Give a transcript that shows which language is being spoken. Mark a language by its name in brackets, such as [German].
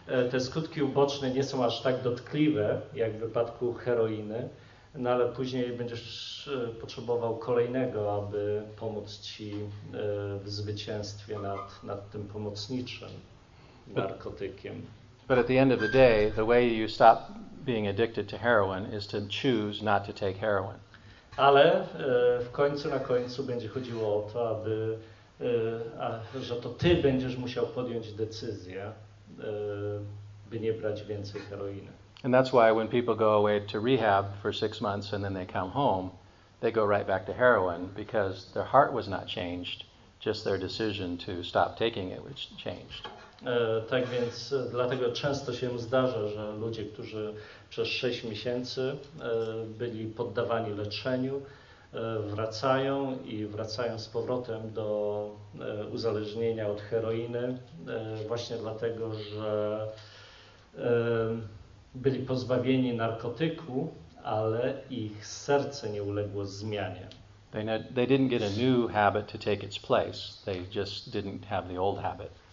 [Polish] Te skutki uboczne nie są aż tak dotkliwe jak w wypadku heroiny, no ale później będziesz potrzebował kolejnego, aby pomóc ci w zwycięstwie nad tym pomocniczym narkotykiem. [English] But at the end of the day, the way you stop being addicted to heroin is to choose not to take heroin. [Polish] Ale na końcu będzie chodziło o to, aby że to ty będziesz musiał podjąć decyzję, by nie brać więcej heroiny. [English] And that's why when people go away to rehab for 6 months and then they come home, they go right back to heroin because their heart was not changed, just their decision to stop taking it was changed. [Polish] Tak więc dlatego często się zdarza, że ludzie, którzy przez 6 miesięcy byli poddawani leczeniu, wracają z powrotem do uzależnienia od heroiny, właśnie dlatego, że byli pozbawieni narkotyku, ale ich serce nie uległo zmianie. [English] They didn't get a new habit to take its place. They just didn't have the old habit.